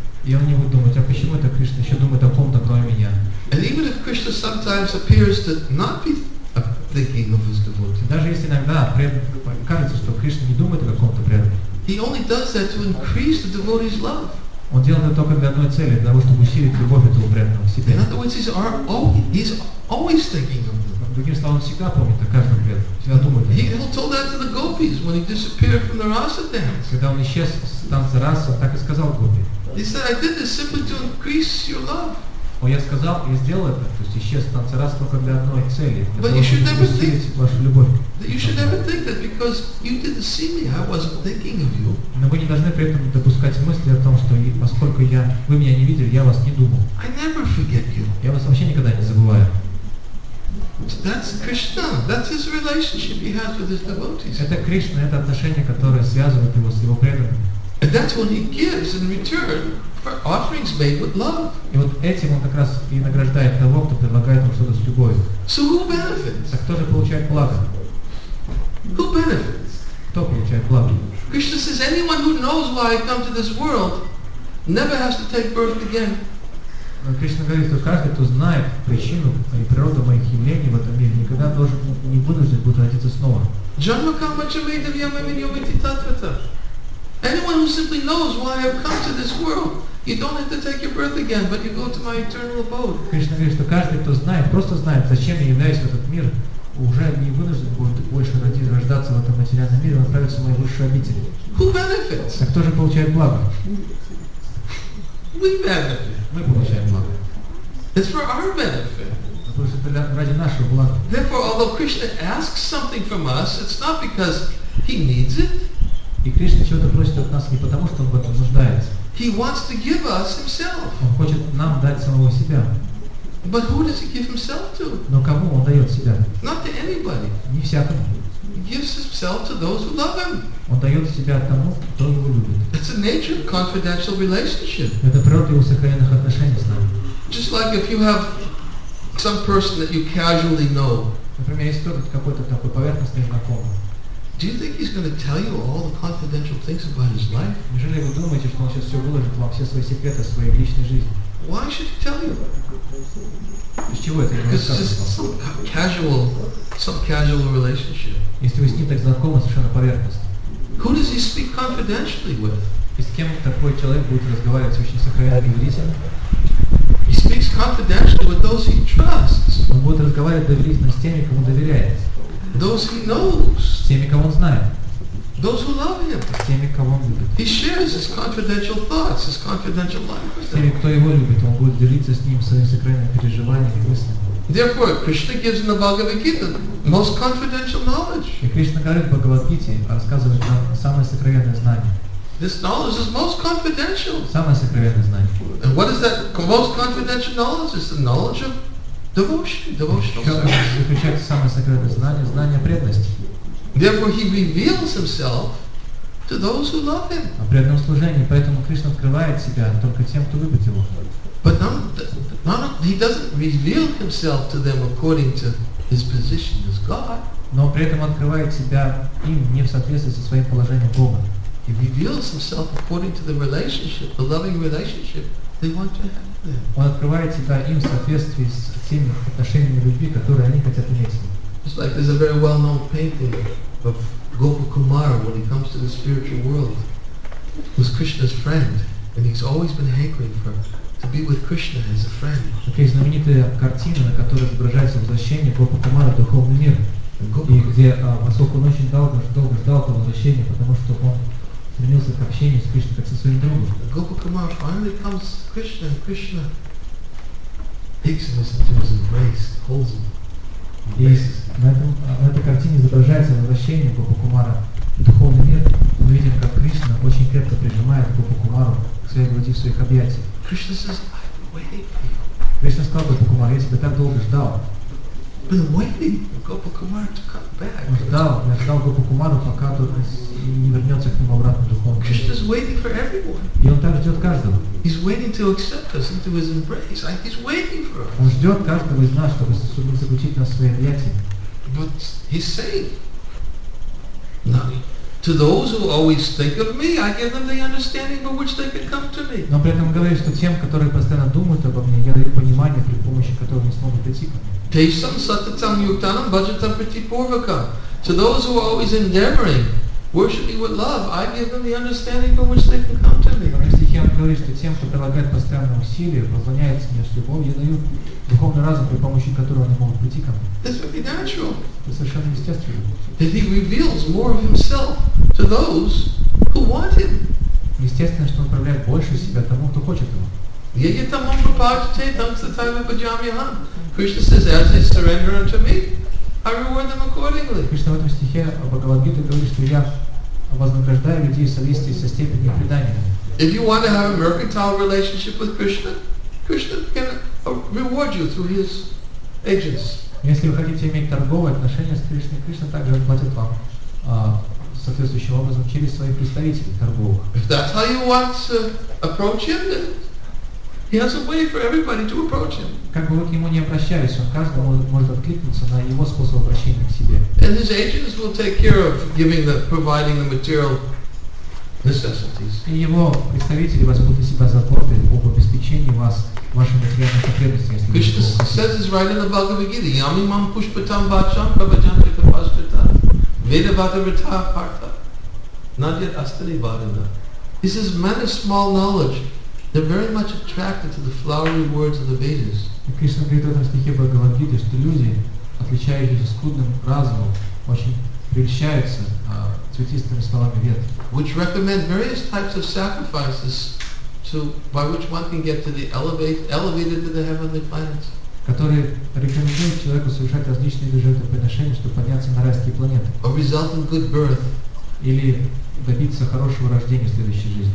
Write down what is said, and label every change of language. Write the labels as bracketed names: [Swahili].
[Russian] И он не будет думать, а почему это Кришна еще думает о ком-то кроме меня? [English] And even if Krishna sometimes appears to not be thinking of his devotee. [Russian] Даже если иногда кажется, что Кришна не думает о каком-то преданном. [English] He only does that to increase the devotee's love. [Russian] Он делает это только для одной цели, для того, чтобы усилить любовь этого преданного к себе. [English] In other words, he's always thinking of them. [Russian] Другим словом, он всегда помнит о каждом преданном, всегда думает о нем. [English] He told that to the gopis when he disappeared from the rasa dance. [Russian] Когда он исчез с танца раса, так и сказал гопи. [English] He said, I did this simply to increase your love. [Russian] Он я сказал, я сделал это, то есть исчез с танца раса только для одной цели. [English] But you should never think [Russian] вашу любовь. [English] You should never think that because you didn't see me, I wasn't thinking of you. [Russian] Но вы не должны при этом допускать мысли о том, что поскольку вы меня не видели, я вас не думал. [English] I never forget you. [Russian] Я вас вообще никогда не забываю. [English] That's Krishna. That's his relationship he has with his devotees. [Russian] Это Кришна, это отношение, которое связывает его с его преданными. [English] And that's what he gives in return offerings made with love. [Russian] И вот этим он как раз и награждает того, кто предлагает ему что-то с любовью. [English] So who benefits? [Russian] А кто же получает благо? [English] Who benefits? [Russian] Кто получает благо? [English] Krishna says, anyone who knows why I come to this world never has to take birth again. [Russian] Кришна говорит, что каждый, кто знает причину и природу моих явлений в этом мире, никогда должен не вынужден будет родиться снова. [Sanskrit] Janma kamma cha vedam yamam yamiti tatvata. [English] Anyone who simply knows why I have come to this world, you don't have to take your birth again, but you go to my eternal abode. [Russian] Кришна говорит, что каждый, кто знает, просто знает, зачем я являюсь в этот мир, уже не вынужден будет больше рождаться в этом материальном мире, он отправится в мою высшую обитель. [English] Who benefits? [Russian] А кто же получает благо? [English] We benefit. [Russian] Мы получаем благо. [English] It's for our benefit. [Russian] Потому что это ради нашего блага. [English] Therefore, although Krishna asks something from us, it's not because he needs it. [Russian] И Кришна чего-то просит от нас не потому, что он в этом нуждается. [English] He wants to give us himself. [Russian] Он хочет нам дать самого себя. [English] But who does he give himself to? [Russian] Но кому он дает себя? [English] Not to anybody. [Russian] Не всякому. [English] He gives himself to those who love him. [Russian] Он дает себя тому, кто его любит. [English] It's a nature of confidential relationship. [Russian] Это природа его сокровенных отношений с нами. [English] Just like if you have some person that you casually know. [Russian] Например, есть кто-то какой-то такой поверхностный знакомый. [English] Do you think he's going to tell you all the confidential things about his life? [Russian] Неужели вы думаете, что он сейчас все выложит вам все свои секреты своей личной жизни? [English] Why should he tell you? [Russian] Из чего это? [English] Because it's just some casual relationship. [Russian] Если вы с ним так знакомы совершенно поверхностно. [English] Who does he speak confidentially with? [Russian] И с кем такой человек будет разговаривать очень сокровенно и доверительно? [English] He speaks confidentially with those he trusts. [Russian] Он будет разговаривать доверительно с теми, кому доверяет. [English] Those he knows. [Russian] С теми, кого он знает. [English] Those who love him. [Russian] С теми, кого он любит. [English] He shares his confidential thoughts, his confidential life with them. [Russian] С теми, кто его любит, он будет делиться с ним своими сокровенными переживаниями и мыслями. [English] Therefore, Krishna gives in the Bhagavad Gita most confidential knowledge. [Russian] И Кришна говорит в Бхагавад Гите, рассказывает нам самое сокровенное знание. [English] This knowledge is most confidential. [Russian] Самое сокровенное знание. [English] And what is that most confidential knowledge? It's the knowledge of devotion. [Russian] Заключается самое сокровенное знание, знание преданности. [English] Therefore, he reveals himself to those who love him. [Russian] О преданном служении, поэтому Кришна открывает себя только тем, кто любит его. [English] But no, he doesn't reveal himself to them according to his position as God. [Russian] Но при этом открывает себя им не в соответствии со своим положением Бога. [English] He reveals himself according to the relationship, the loving relationship they want to have with him. [Russian] Он открывает себя им в соответствии с теми отношениями любви, которые они хотят иметь с ним. [English] It's like there's a very well-known painting of Gopakumara when he comes to the spiritual world, who's Krishna's friend, and he's always been hankering for to be with Krishna as a friend. [Russian] Okay, знаменитая картина, на которой изображается возвращение Гопакумара в духовный мир, и где, поскольку он очень долго ждал этого возвращения, потому что он стремился к общению с Кришной, как со своим другом. [English] Гопакумара finally comes to Krishna, and Krishna takes him into his embrace, holds him. [Russian] И на этой картине изображается возвращение Гопакумара в духовный мир. Мы видим, как Кришна очень крепко прижимает Гопакумару к своей груди в своих объятиях. [English] Krishna says, I've been waiting for you. [Russian] Кришна сказал Гопакумару, я тебя так долго ждал. [English] I've been waiting for Gopakumara to come back. [Russian] Я ждал Гопакумару, пока тот не вернется к нему обратно в духовный мир. [English] Krishna's waiting for everyone. [Russian] И он так ждет каждого. [English] He's waiting to accept us into his embrace. He's waiting for us. [Russian] Он ждет каждого из нас, чтобы заключить нас в свои объятия. [English] But he's saying, no. To those who always think of me, I give them the understanding by which they can come to me. [Russian] Но при этом говорит, что тем, которые постоянно думают обо мне, я даю понимание, при помощи которого они смогут прийти ко мне. [Sanskrit] Tesham satatam yuktanam bhajatam pratipurvakam. [English] To those who are always endeavoring, worshiping with love, I give them the understanding by which they can come to me. [Russian] Но в стихе он говорит, что тем, кто прилагает постоянное усилие, поклоняется мне с любовью, я даю духовный разум, при помощи которого они могут прийти ко мне. [English] This would be natural. [Russian] Это совершенно естественно. [English] That he reveals more of himself to those who want him. [Russian] Естественно, что он проявляет больше себя тому, кто хочет его. [Sanskrit] Yayatam apapachate tamsatayva bhajamyaham. [English] Krishna says, as they surrender unto me, I reward them accordingly. [Russian] Кришна в этом стихе Бхагавад-гита говорит, что я вознаграждаю людей в соответствии со степенью предания. [English] If you want to have a mercantile relationship with Krishna, Krishna can reward you through his agents. [Russian] Если вы хотите иметь торговые отношения с Кришной, Кришна также отплатит вам соответствующим образом через своих представителей торговых. [English] If that's how you want to approach him, then He has a way for everybody to approach him. [Russian] Как бы вы к нему не обращались, он каждому может откликнуться на его способ обращения к себе. [English] And his agents will take care of giving the providing the material necessities. [Russian] И его представители возьмут на себя заботы об обеспечении вас вашими материальными потребностями. [English] Krishna says this right in the Bhagavad Gita: [Sanskrit] Yami mam pushpatam bhajam prabhajanti kapasthita veda bhagavata partha nadya astari bhavana. [English] He says men of small knowledge, they're very much attracted to the flowery words of the Vedas. [Russian] Krishna говорит в этом стихе Бхагавад Гиты, что люди, отличающиеся скудным разумом, очень прельщаются цветистыми словами Вед. [English] Which recommend various types of sacrifices to by which one can get to the elevated to the heavenly planets. [Russian] Которые рекомендуют человеку совершать различные жертвоприношения, чтобы подняться на райские планеты. [English] A result of good birth. [Russian] Или добиться хорошего рождения в следующей жизни.